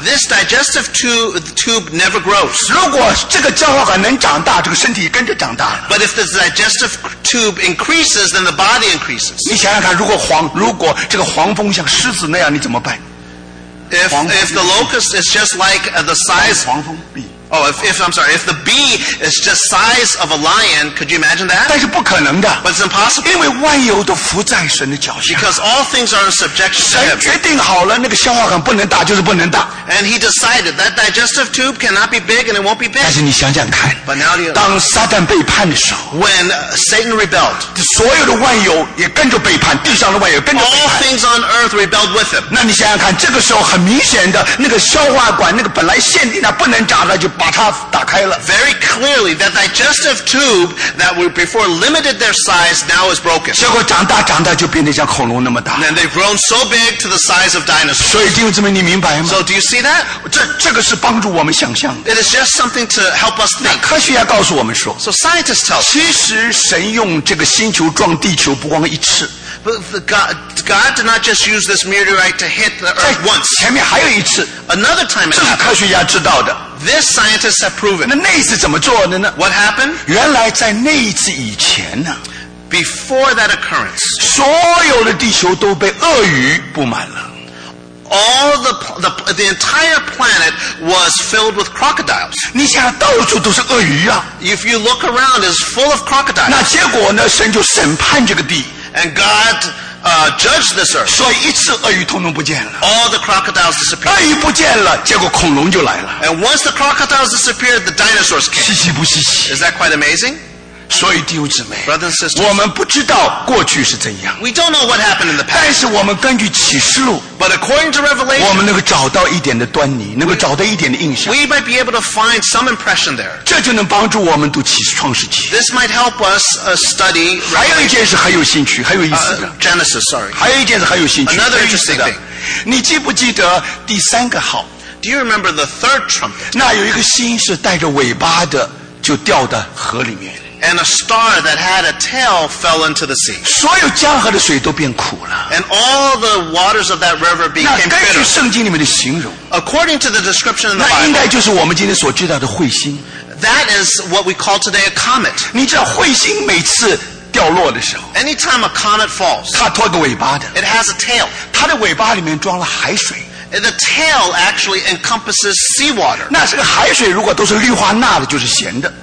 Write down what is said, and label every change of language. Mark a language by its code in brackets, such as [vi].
[en] This digestive tube never grows. [zh] 如果这个消化管能长大，这个身体跟着长大了。 [en] But if the digestive tube increases, then the body increases. [zh] 你想想看，如果这个黄蜂像狮子那样，你怎么办？ [en] If the locust is just like the size. [zh] 黄蜂蜜。 [en] Oh, if the bee is just size of a lion, could you imagine that? [zh] 但是不可能的。 [en] But it's impossible. [zh] 因为万有都伏在神的脚下。 [en] Because all things are in subjection to him. [zh] 神决定好了，那个消化管不能大，就是不能大。 [en] And he decided that digestive tube cannot be big and it won't be big. [zh] 但是你想想看。 [en] But now you. [zh] 当撒旦背叛的时候。 [en] When Satan rebelled. [zh] 所有的万有也跟着背叛，地上的万有跟着背叛。 [en] All things on earth rebelled with him. [zh] 那你想想看，这个时候很明显的，那个消化管那个本来限定的不能长的就。把它打开了。 [en] Very clearly, that digestive tube that were before limited their size now is broken. [zh] 结果长大长大就变得像恐龙那么大。 [en] And they've grown so big to the size of dinosaurs. [zh] 所以弟兄姊妹，你明白吗 [en] ？So do you see that? [zh] 这个是帮助我们想象的。 [en] It is just something to help us think. [zh] 科学家告诉我们说 [en] ，So scientists tell us. [zh] 其实神用这个星球撞地球不光一次。 [en] God did not just use this meteorite to hit the earth once. [zh] 前面还有一次, [en] Another time it happened. This scientists have proven. [zh] 那次怎么做的呢? [en] What happened? [zh] 原来在那一次以前呢, [en] Before that occurrence, [zh] 所有的地球都被鳄鱼布满了。 [en] All the entire planet was filled with crocodiles. [zh] 你想到处都是鳄鱼啊, [en] if you look around, it's full of crocodiles. [zh] 那结果呢, 神就审判这个地, [en] and God judged this earth. [zh] 所以一次鳄鱼通通不见了, [en] all the crocodiles disappeared. [zh] 鳄鱼不见了, 结果恐龙就来了, [en] and once the crocodiles disappeared, the dinosaurs came. [zh] 稀奇不稀奇? [en] Is that quite amazing? [zh] 所以弟兄姊妹, [en] Brothers and sisters, [zh] 我们不知道过去是怎样, [en] we don't know what happened in the past. [zh] 但是我们根据启示录, [en] but according to Revelation, [zh] 我们能够找到一点的端倪, 能够找到一点的印象, [en] we might be able to find some impression there. [zh] 这就能帮助我们读启示创世纪, [en] this might help us study Revelation. [zh] 还有一件事很有兴趣, 还有意思的, [en] Genesis, sorry. [zh] 还有一件事很有兴趣, [en] another interesting thing. [zh] 你记不记得第三个号? [en] Do you remember the third trumpet? [zh] 那有一个星是带着尾巴的就掉到河里面, [en] and a star that had a tail fell into the sea. [zh] 所有江河的水都变苦了, [en] and all the waters of that river became bitter. [zh] 那根据圣经里面的形容, [en] according to the description in the Bible, [zh] 那应该就是我们今天所知道的彗星, [en] that is what we call today a comet. [zh] 你知道彗星每次掉落的时候, [en] anytime a comet falls, [zh] 它拖个尾巴的, [en] it has a tail. [zh] 它的尾巴里面装了海水, [en] the tail actually encompasses seawater. [zh] 那这个海水如果都是氯化钠的就是咸的,